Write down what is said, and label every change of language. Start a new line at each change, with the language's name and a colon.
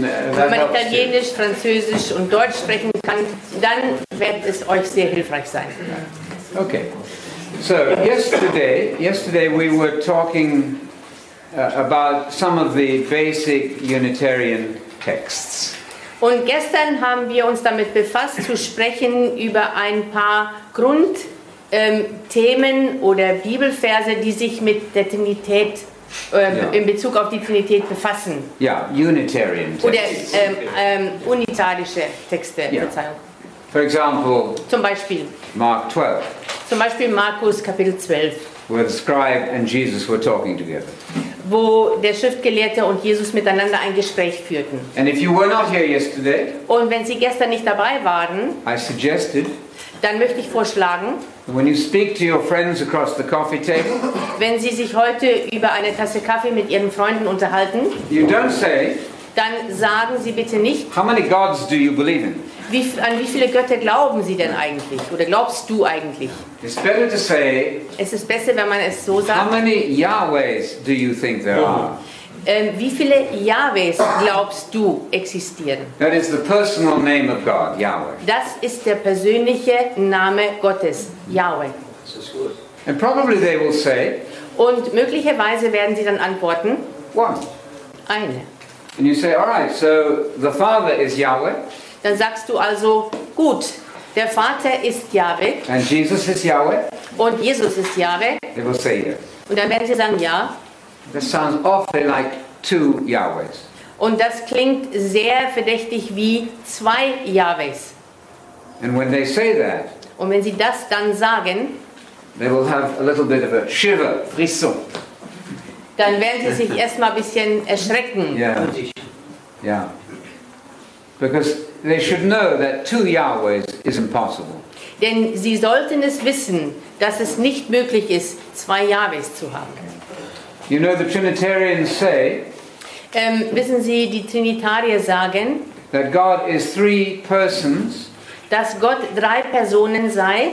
German: wenn man Italienisch, Französisch und Deutsch sprechen kann, dann wird es euch sehr hilfreich sein.
English: Okay. So yesterday we were talking about some of the basic Unitarian texts.
German: Und gestern haben wir uns damit befasst, zu sprechen über ein paar Grundthemen oder Bibelverse, die sich mit der Trinität in Bezug auf die Trinität befassen. Ja, Unitarian Texte. Oder unitarische Texte, Verzeihung.
English: For example,
German: zum Beispiel
English: Mark 12.
German: Zum Beispiel Markus Kapitel 12.
English: Where the scribe and Jesus were talking together.
German: Wo der Schriftgelehrte und Jesus miteinander ein Gespräch führten.
English: And if you were not here yesterday,
German: und wenn Sie gestern nicht dabei waren,
English: I suggested,
German: dann möchte ich vorschlagen,
English: when you speak to your friends across the coffee table,
German: wenn Sie sich heute über eine Tasse Kaffee mit Ihren Freunden unterhalten,
English: you don't say,
German: dann sagen Sie bitte nicht,
English: how many gods do you believe in?
German: An wie viele Götter glauben Sie denn eigentlich? Oder glaubst du eigentlich?
English: It's better to say,
German: es ist besser, wenn man es so sagt.
English: How many Yahwehs do you think there are?
German: Wie viele Yahwehs glaubst du existieren?
English: That is the personal name of God, Yahweh.
German: Das ist der persönliche Name Gottes, Yahweh.
English: And probably they will say,
German: und möglicherweise werden sie dann antworten,
English: one.
German: Eine.
English: And you say, all right, so the Father is Yahweh.
German: Dann sagst du also, gut, der Vater ist Yahweh.
English: And Jesus is Yahweh.
German: Und Jesus ist Yahweh.
English: They will say yes.
German: Und dann werden sie sagen, ja.
English: That sounds awfully like two Yahwehs.
German: Und das klingt sehr verdächtig wie zwei Yahwehs.
English: And when they say that,
German: und wenn sie das dann sagen,
English: they will have a little bit of a shiver, frisson.
German: dann werden sie sich erst mal ein bisschen erschrecken.
English: Yeah. Because they should know that two Yahwehs is impossible.
German: Denn sie sollten es wissen, dass es nicht möglich ist, zwei Yahwehs zu haben.
English: You know, the Trinitarians say,
German: wissen Sie, die Trinitarier sagen,
English: that God is three persons,
German: dass Gott drei Personen sei,